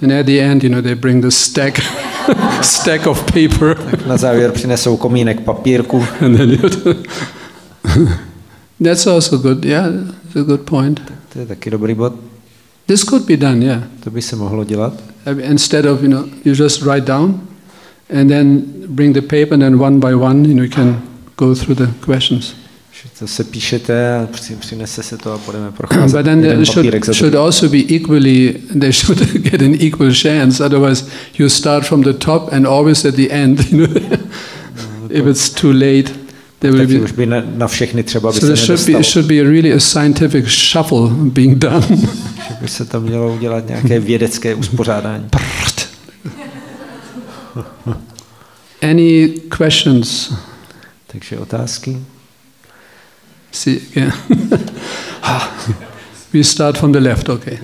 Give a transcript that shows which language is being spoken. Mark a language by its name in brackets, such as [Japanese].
[English] And at the end, you know, they bring the stack of paper. [Czech] Tak na závěr přinesou komínek papírku. [English] That's also good. Yeah, it's a good point. [Czech] To je taky dobrý bod. [English] This could be done, yeah. [Czech] To by se mohlo dělat. [English] Instead of, you know, you just write down and then bring the paper and then one by one, you know, you can go through the questions. [Czech] To se píšete a přinese se to a budeme procházet. [English] But then there should also be equally, they should get an equal chance, otherwise you start from the top and always at the end, you know, if it's too late, there will be. [Czech] Už by na všechny třeba by [English] so there should be really a scientific shuffle being done. [Czech] Že by se tam mělo udělat nějaké vědecké uspořádání. [English] Any questions? [Czech] Takže otázky? [English] See again. We start from the left, okay.